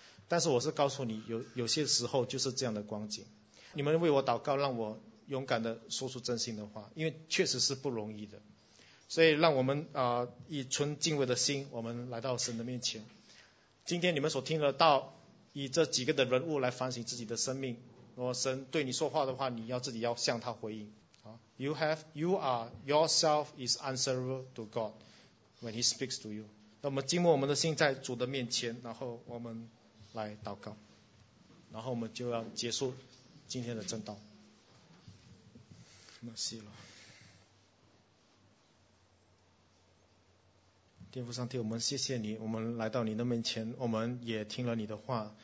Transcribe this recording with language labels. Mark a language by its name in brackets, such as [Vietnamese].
[Chinese] 但是我是告诉你，有些时候就是这样的光景。你们为我祷告，让我勇敢的说出真心的话，因为确实是不容易的。所以让我们以纯敬畏的心，我们来到神的面前。今天你们所听得到，以这几个的人物来反省自己的生命。如果神对你说话的话，你要自己要向他回应。 [English] Yourself is answerable to God when He speaks to you。 [Chinese] 那我们静默我们的心在主的面前，然后我们来祷告，然后我们就要结束今天的正道。那谢了，天父上帝，我们谢谢你，我们来到你的面前，我们也听了你的话。